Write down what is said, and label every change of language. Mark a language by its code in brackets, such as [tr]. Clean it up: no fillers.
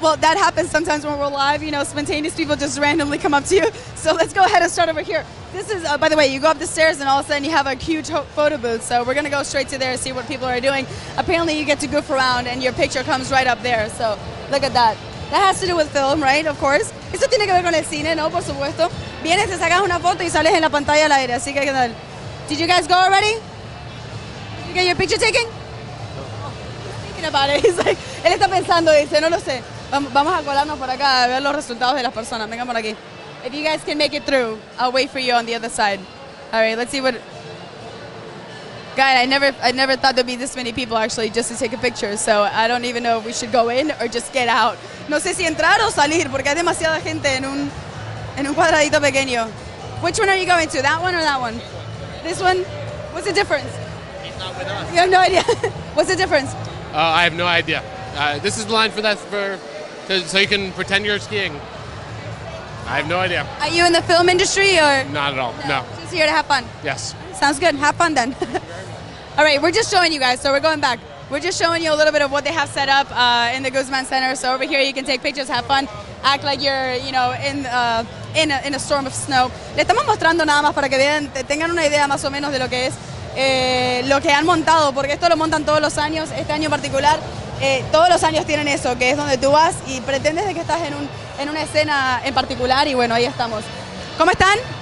[en] Well, that happens sometimes when we're live. You know, spontaneous people just randomly come up to you. So let's go ahead and start over here. This is, by the way, you go up the stairs and all of a sudden you have a huge photo booth. So we're going to go straight to there and see what people are doing. Apparently, you get to goof around and your picture comes right up there. So look at that. That has to do with film, right? Of course. [es] Eso tiene que ver con el cine, ¿no? Por supuesto. Vienes, te sacas una foto y sales en la pantalla al aire. Así que, ¿qué tal? [en] Did you guys go already? You get your picture taken? Thinking about it. He's like, [es] él está pensando, dice, no lo sé. Vamos a colarnos por acá a ver los resultados de las personas. Venga por aquí. [en] If you guys can make it through, I'll wait for you on the other side. All right, let's see what... God, I never thought there'd be this many people actually just to take a picture, so I don't even know if we should go in or just get out. No sé si entrar o salir, porque hay demasiada gente en un cuadradito pequeño. Which one are you going to, that one or that one? This one? What's the difference? You have no idea. What's the difference? I have no idea. This is the line for that, so you can pretend you're skiing. I have no idea. Are you in the film industry or? Not at all. No. Just here to have fun. Yes. Sounds good. Have fun then. All right, we're just showing you guys, so we're going back. We're just showing you a little bit of what they have set up in the Guzman Center. So over here, you can take pictures, have fun, act like you're, you know, in a storm of snow. [es] Le estamos mostrando nada más para que vean, tengan una idea más o menos de lo que es. Lo que han montado, porque esto lo montan todos los años, este año en particular, todos los años tienen eso, que es donde tú vas y pretendes de que estás en una escena en particular y bueno, ahí estamos. ¿Cómo están?